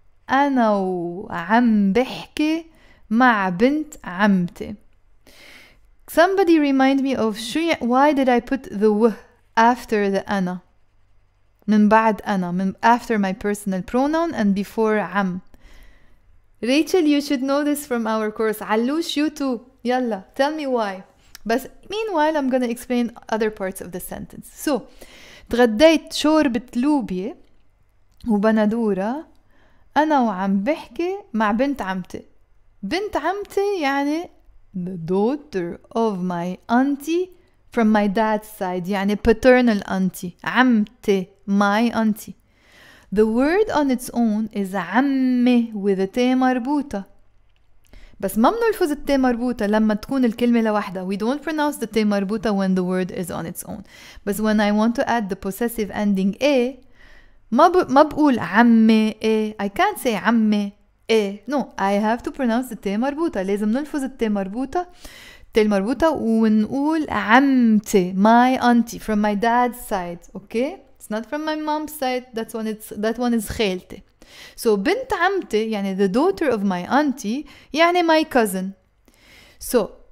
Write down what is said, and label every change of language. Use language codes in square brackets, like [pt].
[ar] انا عم بحكي مع بنت عمتي [en] somebody remind me of why did I put the w after the انا من بعد أنا, من after my personal pronoun and before عم. Rachel, you should know this from our course. علوش, you too. يلا, tell me why. But meanwhile, I'm gonna explain other parts of the sentence. [ar] So, تغديت شوربة لوبيا وبندورة أنا وعم بحكي مع بنت عمتي. بنت عمتي [en] يعني the daughter of my auntie from my dad's side. يعني paternal auntie. عمتي. My auntie. The word on its own is عمي with a T مربوطة. [ar] بس ما منلفظ التاء مربوطة لما تكون الكلمة لوحدة. [en] We don't pronounce the T مربوطة when the word is on its own. But when I want to add the possessive ending A, [ar] ما بقول عمي A. [en] I can't say عمي A. No, I have to pronounce the T مربوطة. [ar] لازم نلفظ التاء مربوطة. [en] تاء تيل مربوطة [ar] ونقول عمتي [en] my auntie from my dad's side okay it's not from my mom's side that's when it's that one is خالتي so [ar] بنت عمتي [en] يعني the daughter of my auntie يعني my cousin so